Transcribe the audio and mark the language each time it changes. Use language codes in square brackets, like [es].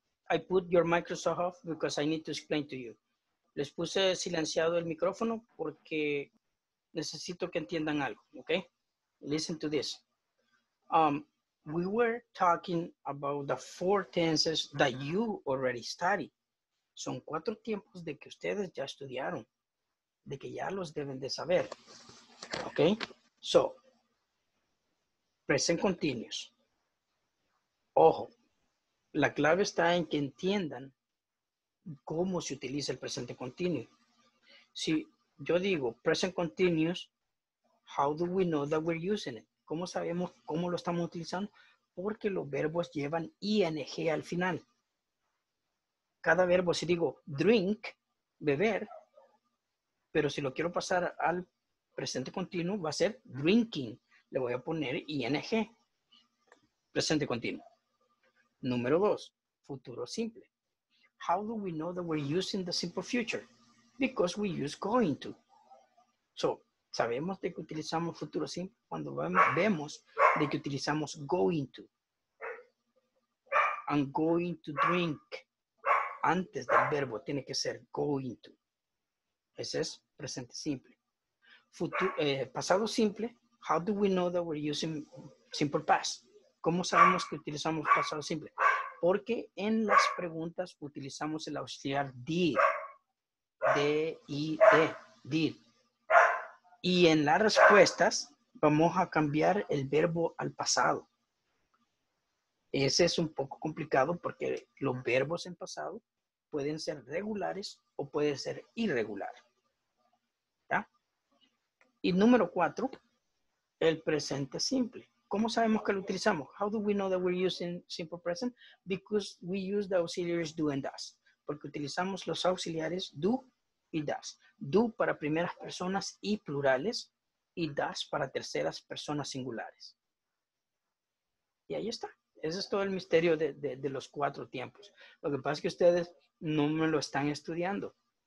[en] I put your microphone off because I need to explain to you. [es] Les puse silenciado el micrófono porque necesito que entiendan algo, okay? [en] Listen to this. We were talking about the four tenses that you already studied. [es] Son cuatro tiempos de que ustedes ya estudiaron, de que ya los deben de saber, okay? [en] So, present continuous. [es] Ojo, la clave está en que entiendan cómo se utiliza el presente continuo. Si yo digo [en] present continuous, how do we know that we're using it? [es] ¿Cómo sabemos cómo lo estamos utilizando? Porque los verbos llevan ing al final. Cada verbo, si digo drink, beber, pero si lo quiero pasar al presente continuo, va a ser drinking. Le voy a poner ing, presente continuo. Número dos, futuro simple. [en] How do we know that we're using the simple future? Because we use going to. So, [es] sabemos de que utilizamos futuro simple cuando vemos de que utilizamos going to. [en] I'm going to drink. [es] Antes del verbo tiene que ser going to. Ese es presente simple. Pasado simple. [en] How do we know that we're using simple past? [es] ¿Cómo sabemos que utilizamos pasado simple? Porque en las preguntas utilizamos el auxiliar did. D-I-D. Did. Y en las respuestas vamos a cambiar el verbo al pasado. Ese es un poco complicado porque los verbos en pasado pueden ser regulares o puede ser irregular. ¿Ya? Y número cuatro, el presente simple. ¿Cómo sabemos que lo utilizamos? [en] How do we know that we're using simple present? Because we use the auxiliaries do and does. [es] Porque utilizamos los auxiliares do y does. Do para primeras personas y plurales y does para terceras personas singulares. Y ahí está. Ese es todo el misterio de los cuatro tiempos. Lo que pasa es que ustedes no me lo están estudiando.